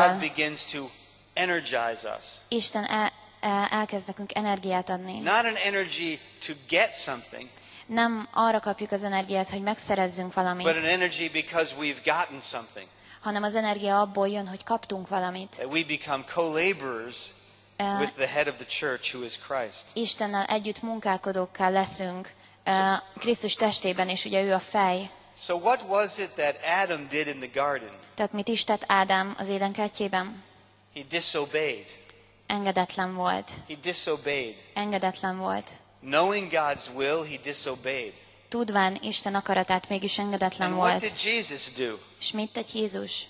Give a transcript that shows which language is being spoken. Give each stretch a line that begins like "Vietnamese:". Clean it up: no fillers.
English: God begins to energize us.
Hungarian: Isten elkezd nekünk energiát adni.
English: Not an energy to get something,
Hungarian: nem arra kapjuk az energiát, hogy megszerezzünk valamit,
English: but an energy because we've gotten something.
Hungarian: Hanem az energia abból jön, hogy kaptunk valamit.
English: We become co-laborers with the head of the church who is Christ.
Hungarian: Istennel együtt munkálkodókká leszünk Krisztus testében, és ugye ő a fej.
English: So what was it that Adam did in the garden?
Hungarian: Tehát mit is tett Ádám az édenkertjében?
English: He disobeyed.
Hungarian: Engedetlen volt.
English: He disobeyed.
Hungarian: Engedetlen volt.
English: Knowing God's will, he disobeyed.
Hungarian: Tudván Isten akaratát, mégis engedetlen
English: and
Hungarian: volt.
English: What did Jesus do?
Hungarian: És mit tett Jézus?